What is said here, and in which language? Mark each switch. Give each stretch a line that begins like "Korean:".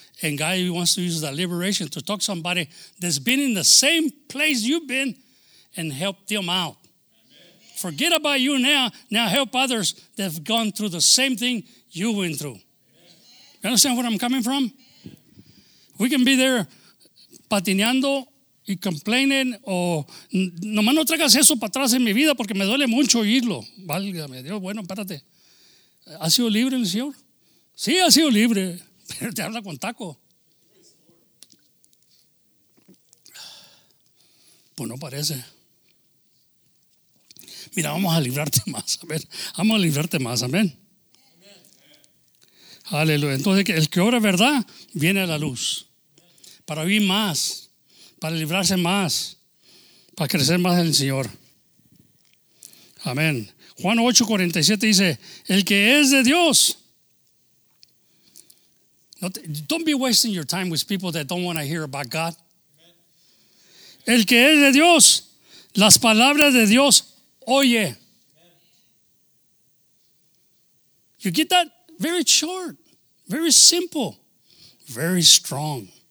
English: And God wants to use that liberation to talk to somebody that's been in the same place you've been and help them out. Amen. Forget about you now. Now help others that have gone through the same thing you went through. Amen. You understand where I'm coming from? Amen. We can be there
Spanish: patineando y complainen o nomás no traigas eso para atrás en mi vida porque me duele mucho oírlo. Válgame Dios, bueno, espérate. ¿Ha sido libre el Señor? Sí, ha sido libre, pero te habla con taco. Pues no parece. Mira, vamos a librarte más, amén. Vamos a librarte más, amén. Aleluya. Entonces, el que obra verdad viene a la luz para vivir más, para librarse más, para crecer más en el Señor. Amén. Juan 8:47 dice: el que es de Dios.
English: Don't be wasting your time with people that don't want to hear about God.
Spanish: El que es de Dios, las palabras de Dios oye.
English: You get that? Very short, very simple, very strong.